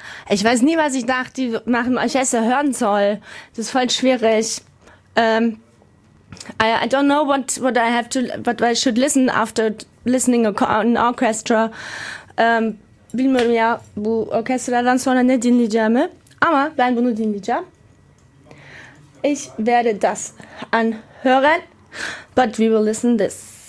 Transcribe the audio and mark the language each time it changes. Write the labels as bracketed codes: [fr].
[de] Ich weiß nie, was ich nach die nach dem Orchester hören soll. Das ist voll schwierig. [en] I don't know what I should listen after listening an orchestra. [tr] Bilmiyorum ya bu orkestralardan sonra ne dinleyeceğimi. Ama ben bunu dinleyeceğim. [de] Ich werde das anhören, [en] but we will listen this.